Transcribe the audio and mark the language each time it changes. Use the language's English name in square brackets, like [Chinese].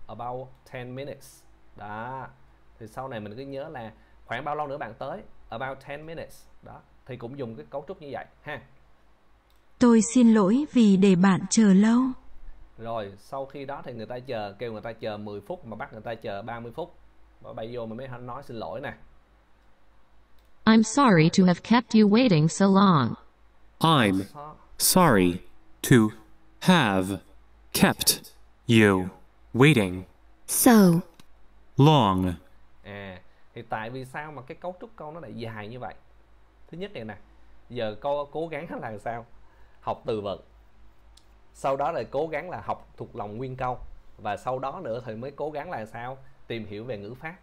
[English] About 10 minutes. [Vietnamese] Đó. Thì sau này mình cứ nhớ là khoảng bao lâu nữa bạn tới? About 10 minutes. Đó. Thì cũng dùng cái cấu trúc như vậy ha. Tôi xin lỗi vì để bạn chờ lâu. Rồi, sau khi đó thì người ta chờ, kêu người ta chờ 10 phút mà bắt người ta chờ 30 phút. Và bây giờ mình mới nói xin lỗi nè. [English] I'm sorry to have kept you waiting so long. I'm sorry to have kept you waiting so long. [Vietnamese] À, thì tại vì sao mà cái cấu trúc câu nó lại dài như vậy? Thứ nhất này nè, giờ cô cố gắng là sao? Học từ vựng. Sau đó lại cố gắng là học thuộc lòng nguyên câu. Và sau đó nữa thì mới cố gắng là sao? Tìm hiểu về ngữ pháp.